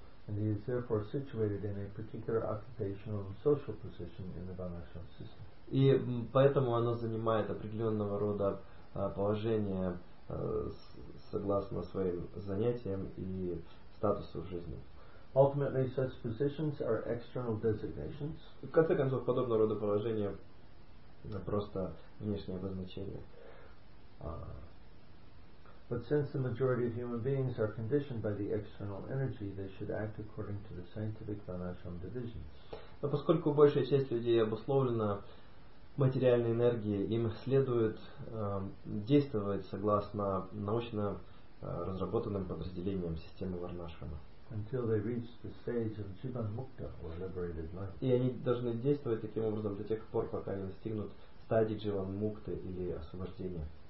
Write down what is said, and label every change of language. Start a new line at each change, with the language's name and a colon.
English: And he is therefore situated in a particular occupational and social position in the Dharmashastra system.
Russian: И поэтому оно занимает определенного рода положение согласно своим занятиям и статусу в жизни.
English: Ultimately, such positions are external designations.
Russian: В конце концов, подобного рода положение просто внешнее обозначение.
English: But since the majority of human beings are conditioned by the external energy, they should act according to the scientific Dharmashram divisions.
Russian: Но поскольку большая часть людей обусловлена материальной энергией, им следует действовать согласно научно разработанным подразделениям системы Варнашрама.
English: Until they reach the stage of Jivan Mukta or liberated life.
Russian: И они должны действовать таким образом до тех пор, пока не достигнут стадии Jivan Mukta или освобождения.